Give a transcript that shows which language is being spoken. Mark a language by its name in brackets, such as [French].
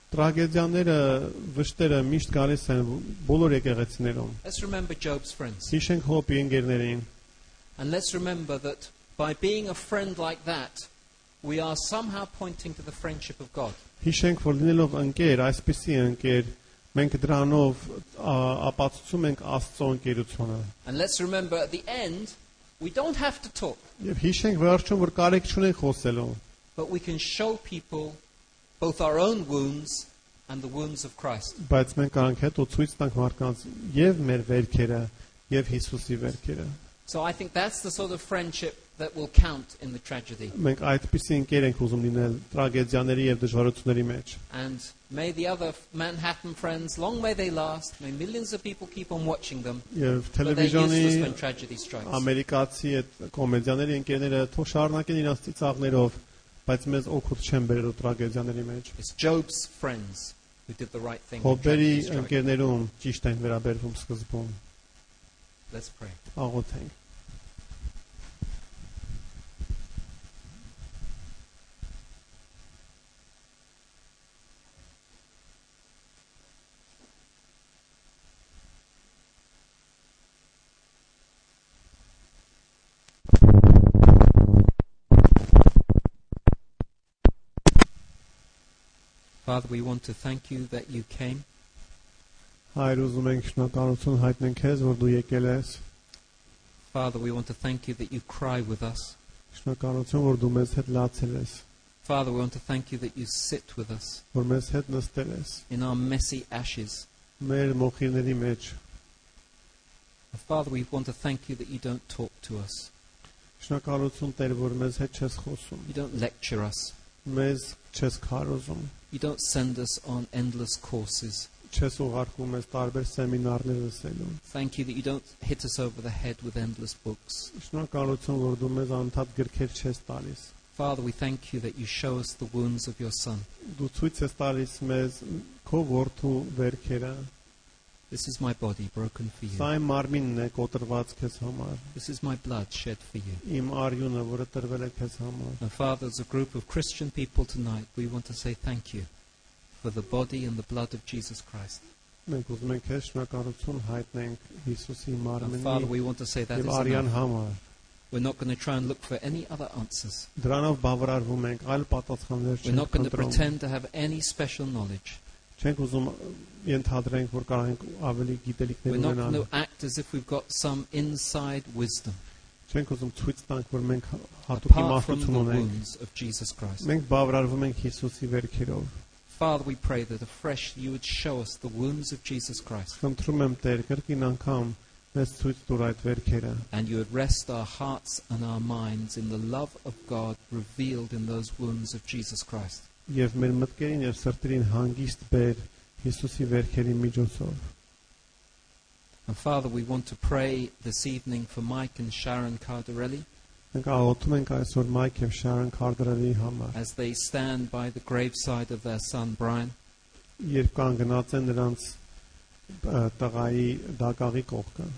[Armenian] Տրագեդիաները, վշտերը միշտ գալիս են բոլոր եկեղեցիներում։ [English] Let's remember Job's friends. [Armenian] Հիշենք Հոբի ընկերներին։ [English] And let's remember that by being a friend like that, we are somehow pointing to the friendship of God. [Armenian] Հիշենք, որ լինելով ընկեր, այսպիսի ընկեր, մենք դրանով ապացուցում ենք Աստծո ընկերությունը. [English] And let's remember at the end, we don't have to talk. [Armenian] Եվ հիշենք վերջում, որ կարեք չունենք խոսելու. [English] But we can show people both our own wounds and the wounds of Christ. [Armenian] Բայց մենք կարող ենք ցույց տանք մարդկանց եւ մեր վերքերը եւ Հիսուսի վերքերը. [English] So I think that's the sort of friendship that will count in the tragedy. [Armenian] Մենք այդպեսի ընկեր ենք ուզում լինել տրագեդիաների եւ դժվարությունների մեջ. [English] And may the other Manhattan friends, long may they last, may millions of people keep on watching them. [Armenian] Եվ տելևիզիոնի ամերիկացի այդ կոմեդիաների ընկերները թող շարունակեն իրենց ծիծաղներով, բայց մեզ օգուտ չեն բերել տրագեդիաների մեջ. [English] It's Job's friends who did the right thing. [Armenian] Հոբերի ընկերներում ճիշտ են վերաբերվում սկզբում. [English] Let's pray. [Armenian] Աղոթենք. [English] Father, we want to thank you that you came. [Armenian] Հայր, ուզում ենք շնորհակալություն հայտնել քեզ, որ դու եկել ես. [English] Father, we want to thank you that you cry with us. [Armenian] Շնորհակալություն, որ դու մեզ հետ լացել ես. [English] Father, we want to thank you that you sit with us. [Armenian] Որ մեզ հետ նստել ես. [English] In our messy ashes. [Armenian] Մեր մոխիրների մեջ. [English] Father, we want to thank you that you don't talk to us. [Armenian] Շնորհակալություն, Տեր, որ մեզ հետ չես խոսում. [English] You don't lecture us. [Armenian] Մեզ չես քարոզում. [English] You don't send us on endless courses. [Armenian] Չես ուղարկում ես տարբեր սեմինարներ լսելու. [English] Thank you that you don't hit us over the head with endless books. [Armenian] Շնորհակալություն, որ դու մեզ անթատ գրքեր չես տալիս. [English] Father, we thank you that you show us the wounds of your son. [Armenian] Դու ցույց ես տալիս մեզ քո որդու վերքերը. [English] This is my body broken for you. [Armenian] Սա իմ մարմինն է կոտրված քեզ համար. [English] This is my blood shed for you. [Armenian] Իմ արյունը, որը տրվել է քեզ համար. [English] And Father, as a group of Christian people tonight, we want to say thank you for the body and the blood of Jesus Christ. [Armenian] Մենք ուզում ենք քեզ շնորհակալություն հայտնենք Հիսուսի մարմինի համար. [English] Father, we want to say that [Armenian] իմ արյան համար. [English] We're not going to try and look for any other answers. [Armenian] Դրանով բավարարվում ենք, այլ պատասխաններ չենք ընտրում. [English] We're not going to pretend to have any special knowledge. [Armenian] Չենք ուզում ենթադրենք, որ կարող ենք ավելի գիտելիքներ ունենալ. [English] We're not going to act as if we've got some inside wisdom. [Armenian] Չենք ուզում ցույց տանք, որ մենք հատուկ իմաստություն ունենք. [English] Apart from the wounds of Jesus Christ. [Armenian] Մենք բավարարվում ենք Հիսուսի վերքերով. [English] Father, we pray that afresh you would show us the wounds of Jesus Christ. [Armenian] Խնդրում եմ Տեր, կրկին անգամ մեզ ցույց տուր այդ վերքերը. [English] And you would rest our hearts and our minds in the love of God revealed in those wounds of Jesus Christ. [Armenian] Եվ մեր մտքերին եւ սրտերին հանգիստ բեր Հիսուսի վերքերի միջոցով։ [English] And Father, we want to pray this evening for Mike and Sharon Cardarelli. [Armenian] Մենք աղոթում ենք այսօր Mike եւ Sharon Cardarelli համար։ [English] As they stand by the graveside of their son Brian. [Armenian] Երբ կանգնած են նրանց տղայի դակաղի կողքը։